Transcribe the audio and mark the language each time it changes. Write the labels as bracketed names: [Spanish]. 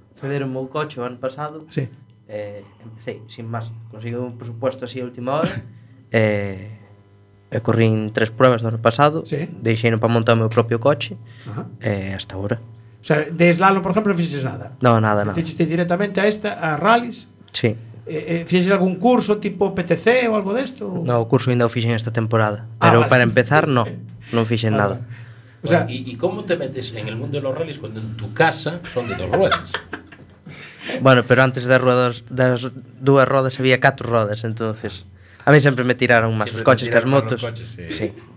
[Galician] Cederon meu coche o ano pasado. Sí. [Spanish] Empecé, sin más. [Galician] Consegui un presupuesto así a última hora. Corrín tres pruebas do ano pasado. Sí. Deixeino para montar o meu propio coche. Ajá. [Spanish] Hasta ahora. [Galician] O sea, de slalom, por ejemplo, no fixes nada. No, nada, nada. Fixiste directamente a esta, a rallies. Sí. Fixes algún curso tipo PTC ou algo desto? De no, o curso ainda o fixen esta temporada. Pero vale. Para empezar, no. Non fixen nada. [Spanish] O sea, ¿y cómo te metes en el mundo de los rallies cuando en tu casa son de dos ruedas? Bueno, pero antes de ruedas, de las dos ruedas había cuatro ruedas, entonces a mí siempre me tiraron más siempre los coches que las motos. Los coches, sí. Sí.